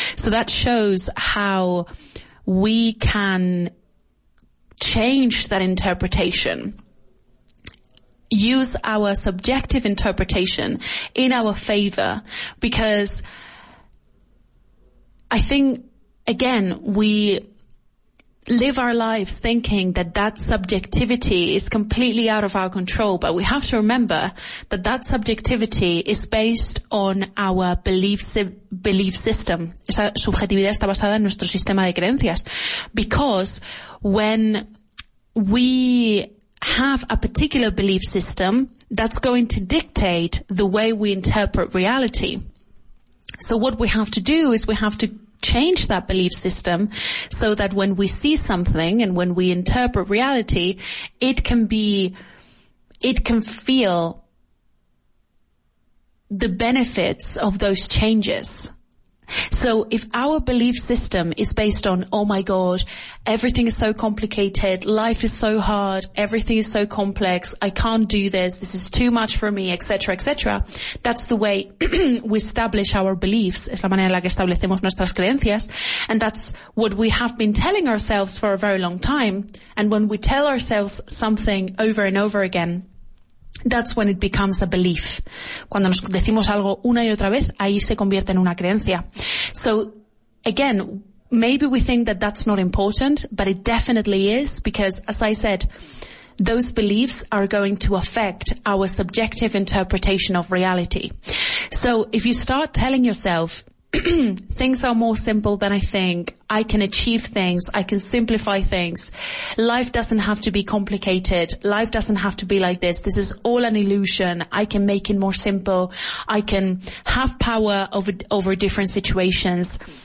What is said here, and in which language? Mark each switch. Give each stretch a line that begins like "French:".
English: So that shows how we can change that interpretation, use our subjective interpretation in our favor, because I think, again, we live our lives thinking that that subjectivity is completely out of our control. But we have to remember that that subjectivity is based on our belief system.
Spanish: Esa subjetividad está basada en nuestro sistema de creencias.
English: Because when we have a particular belief system, that's going to dictate the way we interpret reality. So what we have to do is we have to change that belief system so that when we see something and when we interpret reality, it can feel the benefits of those changes. So if our belief system is based on, oh my God, everything is so complicated, life is so hard, everything is so complex, I can't do this, this is too much for me, etc., etc., that's the way we establish our beliefs.
Spanish: Es la manera en la que establecemos nuestras creencias.
English: And that's what we have been telling ourselves for a very long time. And when we tell ourselves something over and over again, that's when it becomes a belief.
Spanish: Cuando nos decimos algo una y otra vez, ahí se convierte en una creencia.
English: So, again, maybe we think that that's not important, but it definitely is, because, as I said, those beliefs are going to affect our subjective interpretation of reality. So, if you start telling yourself, things are more simple than I think, I can achieve things, I can simplify things, life doesn't have to be complicated, life doesn't have to be like this, this is all an illusion, I can make it more simple, I can have power over different situations.